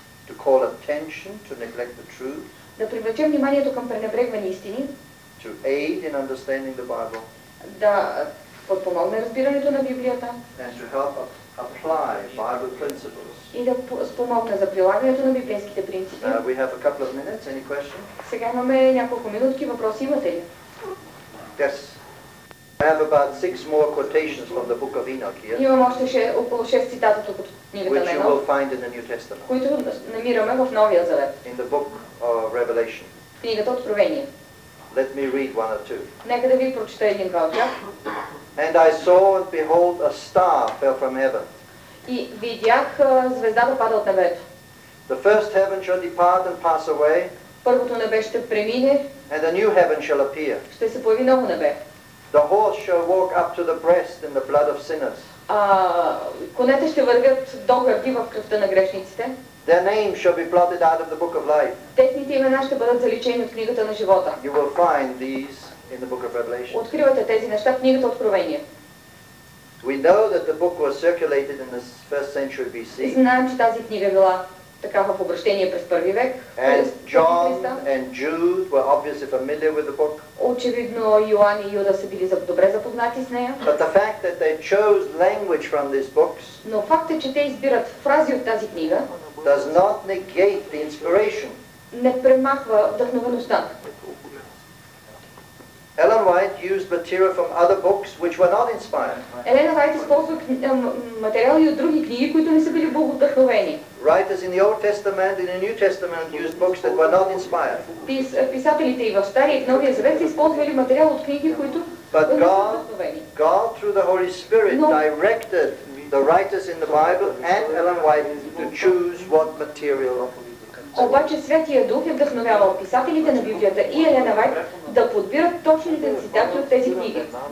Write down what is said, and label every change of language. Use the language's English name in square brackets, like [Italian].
[English] To call attention to neglect the truth. [Bulgarian] Да привлече вниманието към пренебрегвани истини. [English] To aid in understanding the Bible. [Bulgarian] Да подпомогне разбирането на Библията. [English] And to help apply Bible principles. [Bulgarian] И да спомогне за прилагането на библейските принципи. [English] We have a couple of minutes. Any question? [Bulgarian] Сега имаме няколко минутки. Въпроси имате ли? [English] Yes. I have about 6 more quotations from the book of Enoch here. [Bulgarian] Имам още около 6 цитата от книгата на Енох, които намираме в Новия Завет. [English] In the book of Revelation. [Bulgarian] Книгата Откровение. [English] Let me read one or two. [Bulgarian] Нека да ви прочета един-два от тях. [English] And I saw and behold a star fell from heaven. [Bulgarian] И видях звездата пада от небето. [English] The first heaven shall depart and pass away. [Bulgarian] Първото небе ще премине. [English] And a new heaven shall appear. [Bulgarian] Ще се появи ново небе. [English] The horse shall walk up to the breast in the blood of sinners. [Bulgarian] Конете ще вървят до гърди в кръвта на грешниците. [English] Their name shall be blotted out of the book of life. [Bulgarian] Техните имена ще бъдат заличени от книгата на живота. [English] You will find these in the book of Revelation. [Bulgarian] Откривате тези неща в книгата Откровение. [English] We know that the book was circulated in the first century BC. [Bulgarian] Знаем, че тази книга била такава в обращение през първи век. [English] And John and Jude were obviously familiar with the book. [Bulgarian] Очевидно Йоан и Юда са били добре запознати с нея. [English] But the fact that they chose language from these books. [Bulgarian] Но факт е, че те избират фрази от тази книга. [English] Does not negate the inspiration. [Bulgarian] Не премахва вдъхновеността. [English] Ellen White used material from other books which were not inspired. [Bulgarian] Елена Вайт използва материали от други книги, които не са били богодъхновени. [English] Writers in the Old Testament and the New Testament used books that were not inspired. [Bulgarian] Писателите и в Стария и в Новия Завет са използвали материал от книги, които [English] But God through the Holy Spirit directed the writers in the Bible and Ellen White to choose what material. [Bulgarian] Обаче Святия Дух е вдъхновявал писателите на Библията и Елена Вайт да подбират точните цитати от тези книги.